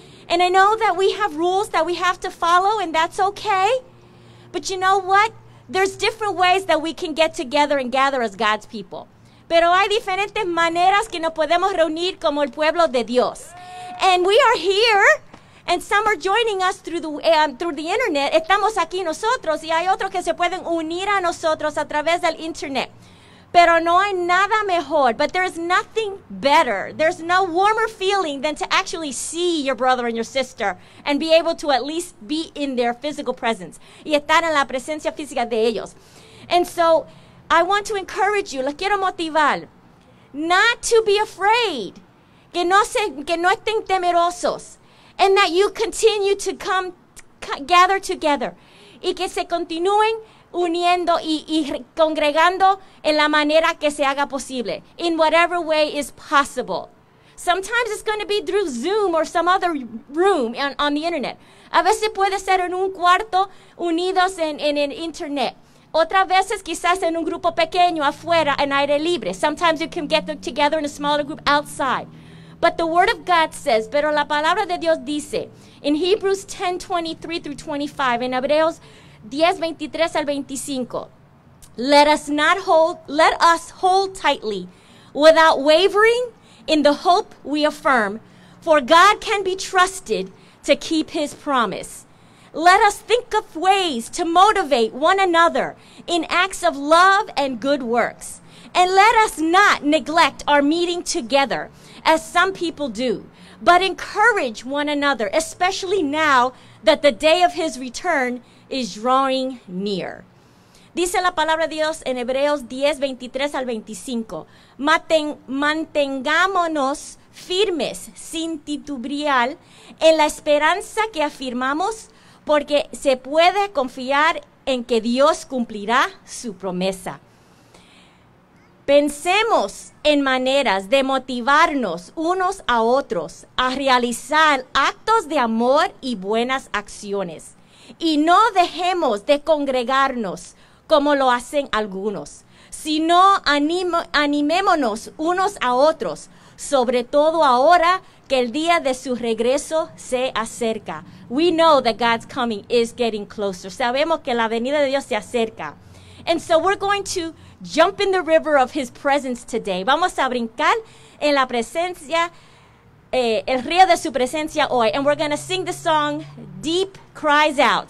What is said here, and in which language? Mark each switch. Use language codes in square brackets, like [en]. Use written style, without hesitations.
[en] And I know that we have rules that we have to follow, and that's okay. But you know what? There's different ways that we can get together and gather as God's people. [es] Pero hay diferentes maneras que nos podemos reunir como el pueblo de Dios. [en] And we are here, and some are joining us through the internet. [es] Estamos aquí nosotros, y hay otros que se pueden unir a nosotros a través del internet. Pero no hay nada mejor, [en] but there is nothing better. There's no warmer feeling than to actually see your brother and your sister and be able to at least be in their physical presence. [es] Y estar en la presencia física de ellos. [en] And so, I want to encourage you, [es] les quiero motivar, [en] not to be afraid. [es] Que no estén temerosos. [en] And that you continue to come gather together. [es] Y que se continúen uniendo y congregando en la manera que se haga posible. [en] In whatever way is possible. Sometimes it's going to be through Zoom or some other room on the internet. [es] A veces puede ser en un cuarto unidos en el internet. Otras veces quizás en un grupo pequeño afuera en aire libre. [en] Sometimes you can get together in a smaller group outside. But the word of God says, [es] pero la palabra de Dios dice, [en] in Hebrews 10:23-25, [es] en Hebreos 10:23-25, [en] let us hold tightly without wavering in the hope we affirm, for God can be trusted to keep his promise. Let us think of ways to motivate one another in acts of love and good works. And let us not neglect our meeting together, as some people do, but encourage one another, especially now that the day of his return is drawing near. [es] Dice la palabra de Dios en Hebreos 10, 23 al 25. Mantengámonos firmes, sin titubear, en la esperanza que afirmamos, porque se puede confiar en que Dios cumplirá su promesa. Pensemos en maneras de motivarnos unos a otros a realizar actos de amor y buenas acciones. Y no dejemos de congregarnos como lo hacen algunos, sino animémonos unos a otros, sobre todo ahora que el día de su regreso se acerca. [en] We know that God's coming is getting closer. [es] Sabemos que la venida de Dios se acerca. [en] And so we're going to jump in the river of his presence today. [es] Vamos a brincar en la presencia, el río de su presencia hoy. [en] And we're going to sing the song, Deep Cries Out.